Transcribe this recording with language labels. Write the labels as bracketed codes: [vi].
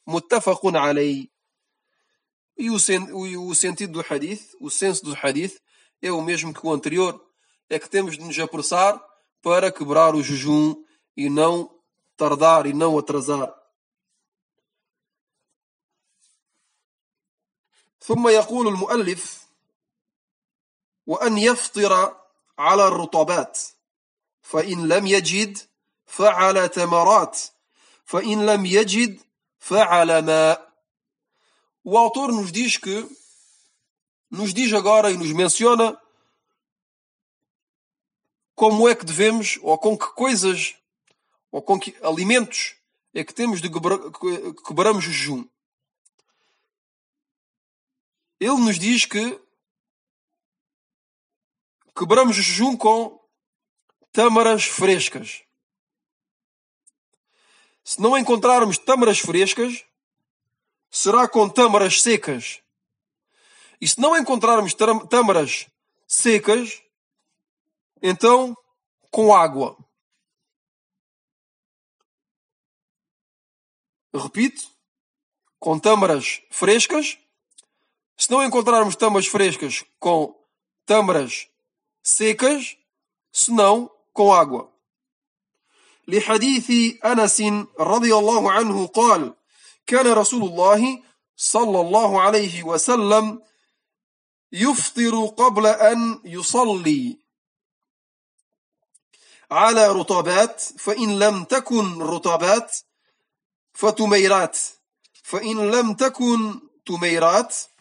[pt] Muttafaqun alayhi. E o sentido do hadith, o senso do hadith, é o mesmo que o anterior. É que temos de nos apressar para quebrar o jejum e não tardar e não atrasar. [ar] Thumma yaqulu al-mu'allif وأن يفطر على الرطبات فإن لم يجد فعلى تمرات فإن لم يجد فعلى ماء. [pt] O autor nos diz agora e nos menciona como é que devemos, ou com que coisas, ou com que alimentos é que temos de quebrar o jejum. Ele nos diz que quebramos o jejum com tâmaras frescas. Se não encontrarmos tâmaras frescas, será com tâmaras secas. E se não encontrarmos tâmaras secas, então com água. Eu repito, com tâmaras frescas, se não encontrarmos tâmaras frescas, com tâmaras secas, se não com água. [ar] لحديث أنس رضي الله عنه قال كان رسول الله صلى الله عليه وسلم يفطر قبل أن يصلي على رطبات فإن لم تكن رطبات فتميرات فإن لم تكن تميرات